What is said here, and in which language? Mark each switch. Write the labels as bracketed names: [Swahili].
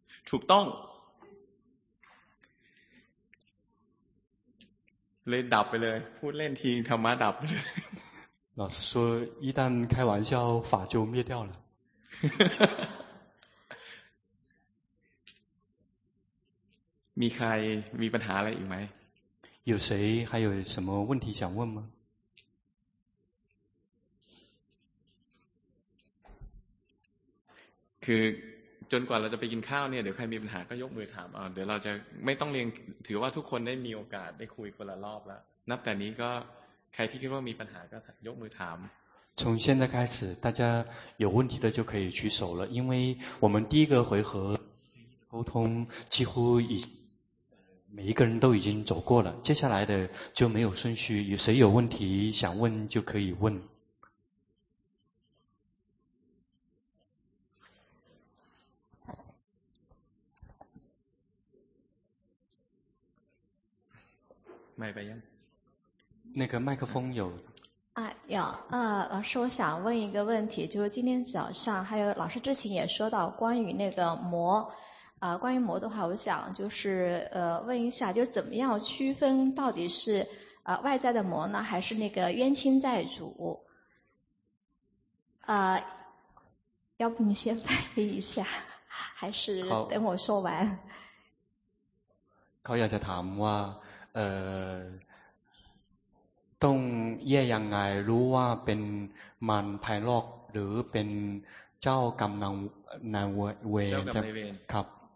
[Thai] ถูกต้องเลยดับไปเลยพูดเล่นทิ้งธรรมะดับไปเลย [Chinese] 老师说一旦开玩笑法就灭掉了 [Thai] มีใครมีปัญหาอะไรอีกไหม [Chinese] 有谁还有什么问题想问吗 [Thai] คือจนกว่าเราจะไปกินข้าวเนี่ยเดี๋ยวใครมีปัญหาก็ยกมือถามเดี๋ยวเราจะไม่ต้องเรียงถือว่าทุกคนได้มีโอกาสได้คุยคนละรอบแล้วนับแต่นี้ก็ใครที่คิดว่ามีปัญหาก็ยกมือถาม [Chinese] 从现在开始大家有问题的就可以举手了因为我们第一个回合沟通几乎已每一个人都已经走过了接下来的就没有顺序有谁有问题想问就可以问麦白杨那个麦克风有老师我想问一个问题就是今天早上还有老师之前也说到关于那个魔关于魔的话我想就是问一下就怎么样区分到底是外在的魔呢还是那个冤亲债主要不你先翻译一下还是等我说完考验着他们啊 [Thai] ต้องแยกยังไงรู้ว่าเป็นมันภายนอกหรือเป็นเจ้ากรรมนายเวรครับ